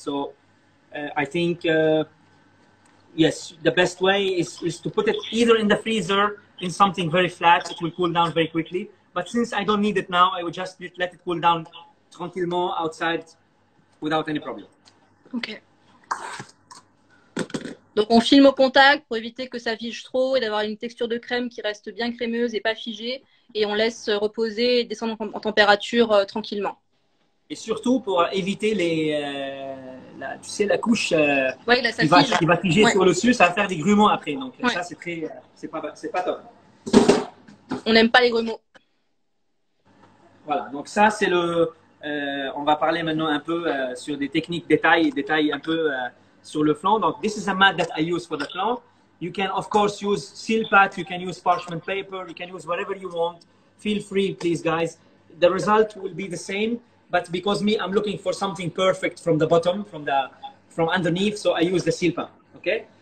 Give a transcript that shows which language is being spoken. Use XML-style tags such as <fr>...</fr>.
<en>So I think, yes, the best way is to put it either in the freezer in something very flat. It will cool down very quickly. But since I don't need it now, I will just let it cool down tranquillement outside without any problem. Okay.</en> <fr>Donc, on filme au contact pour éviter que ça fige trop et d'avoir une texture de crème qui reste bien crémeuse et pas figée. Et on laisse reposer et descendre en température tranquillement. Et surtout pour éviter les, tu sais, la couche ouais, là, qui va figer ouais. Sur le dessus, ça va faire des grumeaux après. Donc ouais. Ça, c'est très, c'est pas top. On n'aime pas les grumeaux. Voilà, donc ça, c'est le, on va parler maintenant un peu sur des techniques, détails un peu sur le flan.</fr> <en>Donc, this is a mat that I use for the flan. You can, of course, use Silpat, you can use parchment paper, you can use whatever you want. Feel free, please, guys. The result will be the same. But because me, I'm looking for something perfect from the bottom, from underneath, so I use the silpa, okay?</en>